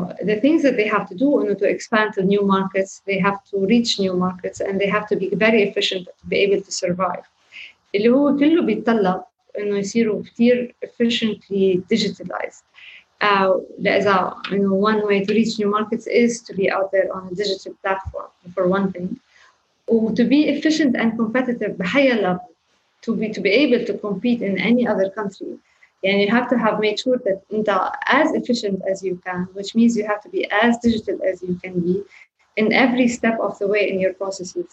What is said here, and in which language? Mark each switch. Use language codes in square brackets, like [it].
[en] The things that they have to do in order to expand to new markets, they have to reach new markets and they have to be very efficient to be able to survive. [ar] اللي هو كله بيتطلب إنه يصيروا كتير [en] efficiently digitalized. There's one way to reach new markets is to be out there on a digital platform for one thing. to be efficient and competitive at a higher level, to be able to compete in any other country, and you have to have made sure that you're as efficient as you can, which means you have to be as digital as you can be in every step of the way in your processes.